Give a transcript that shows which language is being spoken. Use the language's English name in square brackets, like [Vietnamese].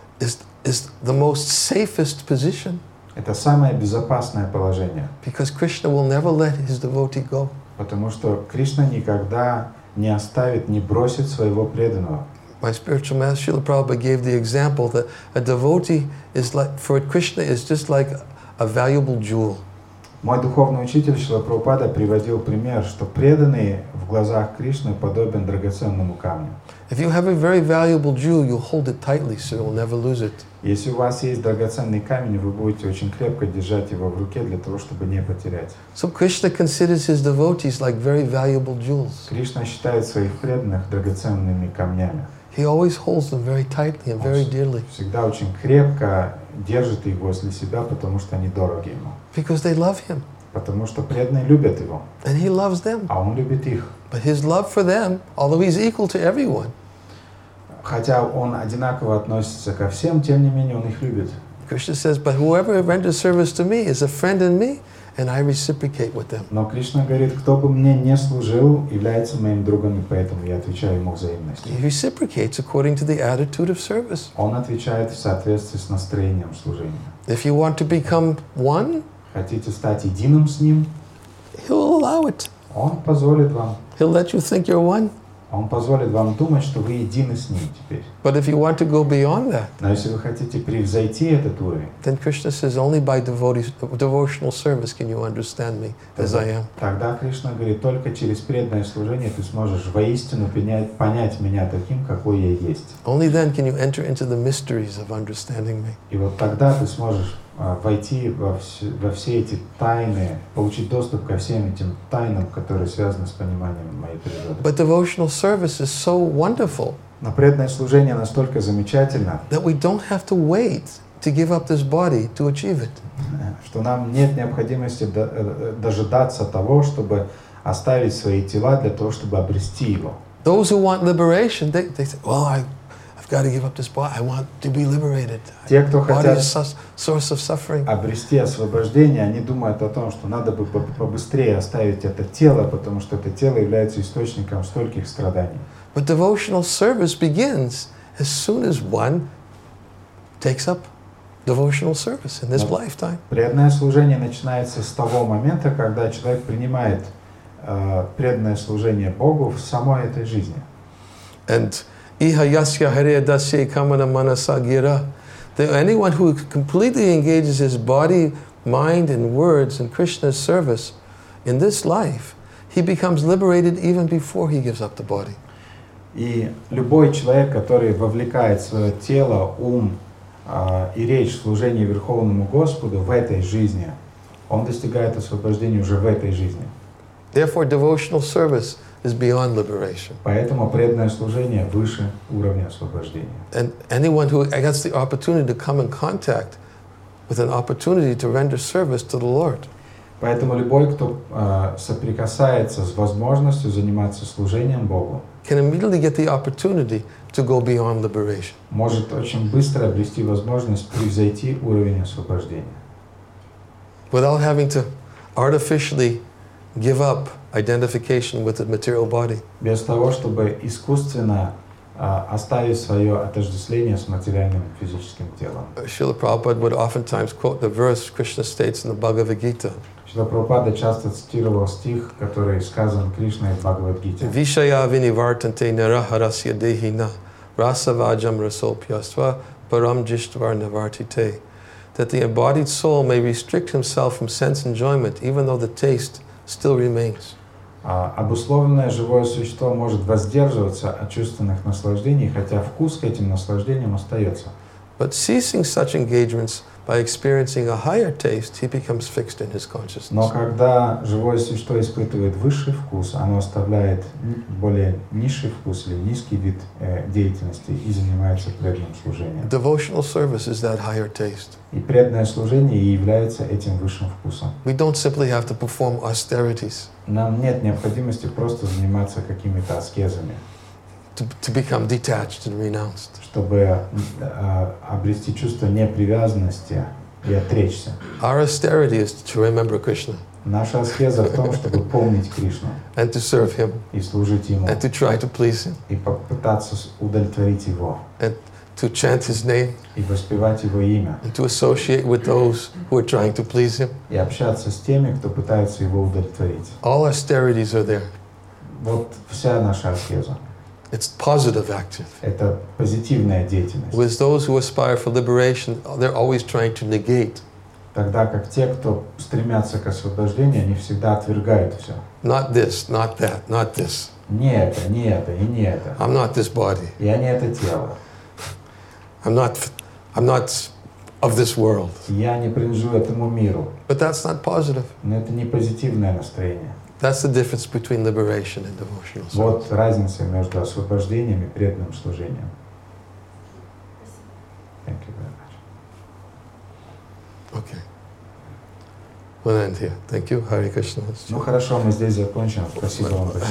[English] Is the most safest position. [Russian] Это самое безопасное положение. [English] Because Krishna will never let his devotee go. [Russian] Потому что Кришна никогда не оставит, не бросит своего преданного. [English] My spiritual master Srila Prabhupada gave the example that a devotee is like, for Krishna is just like a valuable jewel. [Russian] Мой духовный учитель Шрила Прабхупада приводил пример, что преданный в глазах Кришны подобен драгоценному камню. [English] If you have a very valuable jewel, you hold it tightly so you'll never lose it. [Russian] Если у вас есть драгоценный камень, вы будете очень крепко держать его в руке для того, чтобы не потерять. [English] So Krishna considers his devotees like very valuable jewels. [Russian] Кришна считает своих преданных драгоценными камнями. [English] He always holds them very tightly and very dearly. [Russian] Всегда очень крепко держит их возле себя, потому что они дороги ему. [English] Because they love him. [Russian] Потому что преданные любят его. [English] And he loves them. [Russian] А он любит их. [English] But his love for them, although he's equal to everyone. [Russian] Хотя он одинаково относится ко всем, тем не менее он их любит. [English] Krishna says, but whoever renders service to me is a friend in me, and I reciprocate with them. [Russian] Но Кришна говорит, кто бы мне не служил, является моим другом, и поэтому я отвечаю ему взаимностью. [English] He reciprocates according to the attitude of service. [Russian] Он отвечает в соответствии с настроением служения. [English] If you want to become one, [Russian] хотите стать единым с ним, [English] he'll allow it. [Russian] Он позволит вам. [English] He'll let you think you're one. [Russian] Он позволит вам думать, что вы едины с ним теперь. [English] But if you want to go beyond that, [Russian] но если вы хотите превзойти этот уровень, [English] then Krishna says, only by devotional service can you understand me as I am. [Russian] Тогда Кришна говорит, только через преданное служение ты сможешь воистину понять меня таким, какой я есть. [English] Only then can you enter into the mysteries of understanding me. [Russian] И вот тогда ты сможешь войти во все эти тайны, получить доступ ко всем этим тайнам, которые связаны с пониманием моей природы. [English] But devotional service is so wonderful. [Russian] Но преданное служение настолько замечательно, [English] that we don't have to wait to give up this body to achieve it. [Russian] Что нам нет необходимости дожидаться того, чтобы оставить свои тела для того, чтобы обрести его. [English] Those who want liberation, they say, well, I've got to give up this body. I want to be liberated. [Russian] Те, кто хотят [English] body is a source of suffering. [Russian] Обрести освобождение, они думают о том, что надо бы побыстрее оставить это тело, потому что это тело является источником стольких страданий. [English] But devotional service begins as soon as one takes up devotional service in this lifetime. [Russian] Преданное служение начинается с того момента, когда человек принимает преданное служение Богу в самой этой жизни. [Sanskrit] And Iha yasya hare dasye kamana manasa gira. [English] Anyone who completely engages his body, mind, and words in Krishna's service in this life, he becomes liberated even before he gives up the body. [Russian] И любой человек, который вовлекает свое тело, ум и речь в служение Верховному Господу в этой жизни, он достигает освобождения уже в этой жизни. [English] Therefore, devotional service is beyond liberation. [Russian] Поэтому преданное служение выше уровня освобождения. [English] And anyone who gets the opportunity to come in contact with an opportunity to render service to the Lord. [Russian] Поэтому любой, кто соприкасается с возможностью заниматься служением Богу, [English] can immediately get the opportunity to go beyond liberation. [Russian] Может очень быстро обрести возможность превзойти уровень освобождения. [English] Without having to artificially give up identification with the material body. [Russian] Без того, чтобы искусственно оставить свое отождествление с материальным физическим телом. [English] Шрила Прабхупада would oftentimes quote the verse Krishna states in the Bhagavad Gita. [Russian] Шрила Прабхупада часто цитировал стих, который сказан Кришной в Бхагавад Гите. [Sanskrit] Вишая винивартанте нирахарасья дехина расаваджам расопьяства param jishtvar navartite, [English] that the embodied soul may restrict himself from sense enjoyment, even though the taste still remains. [Russian] Обусловленное живое существо может воздерживаться от чувственных наслаждений, хотя вкус к этим наслаждениям остается. [English] But ceasing such engagements by experiencing a higher taste, he becomes fixed in his consciousness. [Russian] Но когда живое существо испытывает высший вкус, оно оставляет более низший вкус или низкий вид деятельности и занимается преданным служением. [English] Devotional service is that higher taste. [Russian] И преданное служение является этим высшим вкусом. [English] We don't simply have to perform austerities. [Russian] Нам нет необходимости просто заниматься какими-то аскезами. [English] To become detached and renounced. [Russian] Чтобы обрести чувство непривязанности и отречься. [English] Our austerity is to remember Krishna. [Russian] Наша аскеза в том, чтобы помнить Кришну. [English] And to serve Him. [Russian] И служить Ему. [English] And to try to please Him. [Russian] И попытаться удовлетворить Его. [English] And to chant His name. [Russian] И воспевать Его имя. [English] And to associate with those who are trying to please Him. [Russian] И общаться с теми, кто пытается Его удовлетворить. [English] All austerities are there. [Russian] Вот вся наша аскеза. [English] It's positive active. [Russian] Это позитивная деятельность. [English] With those who aspire for liberation, they're always trying to negate. [Russian] Тогда как те, кто стремятся к освобождению, они всегда отвергают все. [English] Not this, not that, not this. [Russian] Не это, не это и не это. [English] I'm not this body. [Russian] Я не это тело. [English] I'm not of this world. [Russian] Я не принадлежу этому миру. [English] But that's not positive. [Russian] Но это не позитивное настроение. [English] That's the difference between liberation and devotional service. [Russian] Вот разница между освобождением и преданным служением. [English] Thank you very much. Okay. We'll end here. Thank you. Hare Krishna. [Russian] Ну хорошо, мы здесь закончим. Спасибо вам большое.